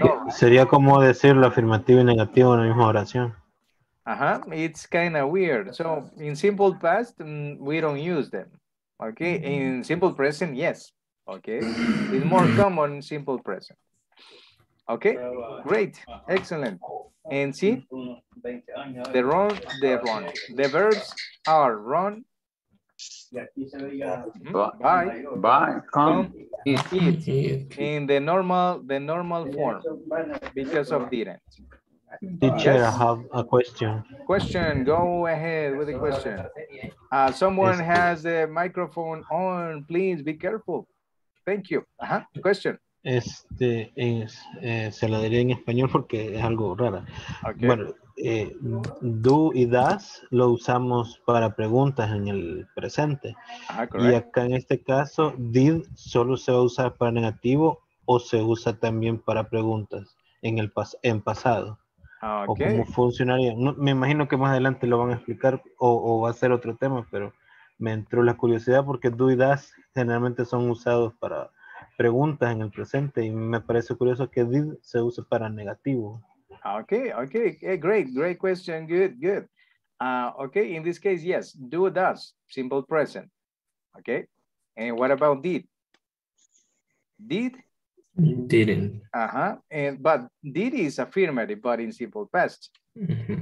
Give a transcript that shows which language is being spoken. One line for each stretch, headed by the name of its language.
Spanish: Sería como decir lo afirmativo y negativo en la misma oración. Ajá,
English: it's kind of weird. So in simple past we don't use them. Okay, in simple present yes. Okay, it's more common in simple present. Okay, great, excellent. And see, the verbs are run, buy, come, eat, in the normal form, because of didn't. Teacher, yes. I have a question. Question, go ahead with the question. Someone has the microphone on, please be careful. Thank you. Uh-huh. Question.
Spanish: Este es, se la diría en español porque es algo rara.
English: Okay.
Spanish: Bueno, do y does lo usamos para preguntas en el presente. Ah, y acá en este caso, did solo se va a usar para negativo o se usa también para preguntas en el en pasado.
English: Okay.
Spanish: O cómo funcionaría. No, me imagino que más adelante lo van a explicar o va a ser otro tema, pero me entró la curiosidad porque do y does generalmente son usados para preguntas en el presente y me parece curioso que did se use para negativo.
English: Okay, okay, great, great question, good, good. Okay, in this case, yes, do, does, simple present. Okay, and what about did? Did? Didn't. Uh-huh, and, but did is affirmative, but in simple past. Mm-hmm.